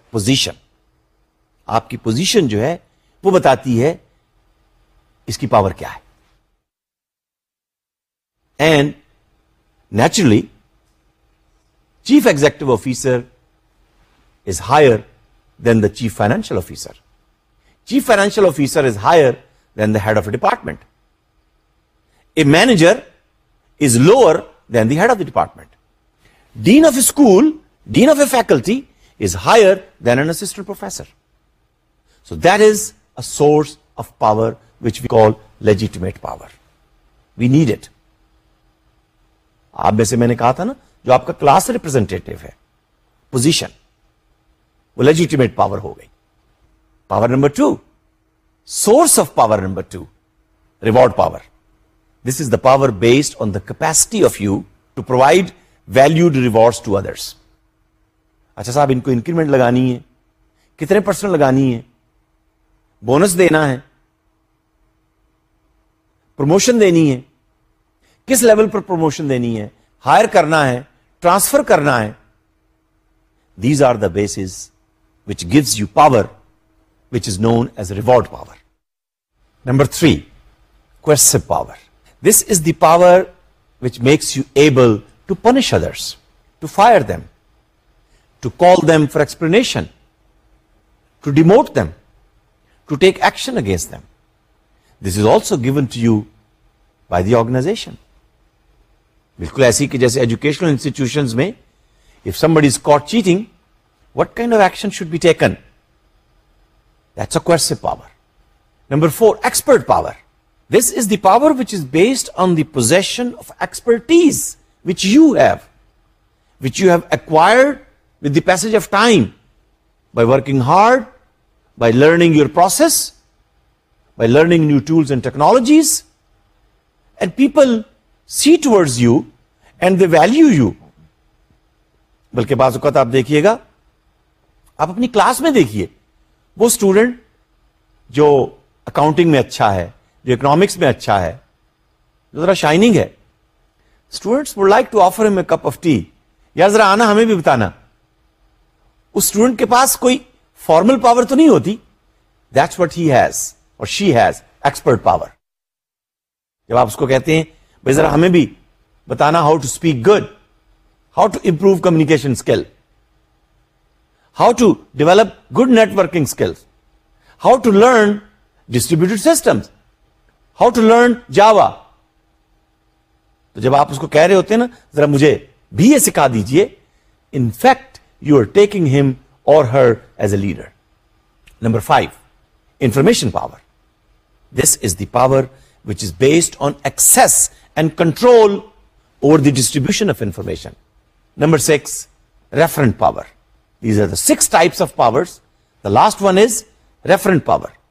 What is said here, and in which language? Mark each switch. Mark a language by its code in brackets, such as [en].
[ur] Position, آپ کی position جو ہے وہ بتاتی ہے اس کی پاور کیا ہے. [en] And naturally chief executive officer is higher than the chief financial officer. Chief financial officer is higher than the head of a department. A manager is lower than the head of the department. Dean of a school, dean of a faculty is higher than an assistant professor. So that is a source of power which we call legitimate power. We need it. [ur] آپ میں سے میں نے کہا تھا نا جو آپ کا کلاس ریپرزینٹیٹو ہے، پوزیشن، وہ لیجیٹیمیٹ پاور ہو گئی. [en] Power number two, source of power number two, reward power. This is the power based on the capacity of you to provide valued rewards to others. [ur] اچھا صاحب، ان کو increment لگانی ہے، کتنے percent لگانی ہے، بونس دینا ہے، پروموشن دینی ہے، کس لیول پر پروموشن دینی ہے، ہائر کرنا ہے، ٹرانسفر کرنا ہے. [en] These are the bases which gives you power which is known as reward power. Number three, coercive power. This is the power which makes you able to punish others, to fire them, to call them for explanation, to demote them, to take action against them. This is also given to you by the organisation. [ur] بالکل ایسی کہ جیسے educational institutions میں [en] If somebody is caught cheating, what kind of action should be taken, that's a coercive power. Number four, expert power. This is the power which is based on the position of expertise which you have, which you have acquired with the passage of time, by working hard, by learning your process, by learning new tools and technologies. And people see towards you and they value you. [ur] بلکہ بعض اوقات آپ دیکھیے گا، آپ اپنی class میں دیکھیے، وہ اسٹوڈنٹ جو اکاؤنٹنگ میں اچھا ہے، جو اکنامکس میں اچھا ہے، جو ذرا شائننگ ہے، [en] students would like to offer him a cup of tea, [ur] یار ذرا آنا ہمیں بھی بتانا. اس اسٹوڈنٹ کے پاس کوئی فارمل پاور تو نہیں ہوتی، [en] that's what he has or she has, [ur] ایکسپرٹ پاور. جب آپ اس کو کہتے ہیں بھائی ذرا ہمیں بھی بتانا [en] how to speak good, how to improve communication skill, how to develop good networking skills, how to learn distributed systems, how to learn Java, [ur] تو جب آپ اس کو کہہ رہے ہوتے ہیں نا ذرا مجھے بھی یہ سکھا دیجئے، [en] In fact you are taking him or her as a leader. Number five, information power. This is the power which is based on access and control over the distribution of information. Number six, referent power. These are the six types of powers, the last one is referent power.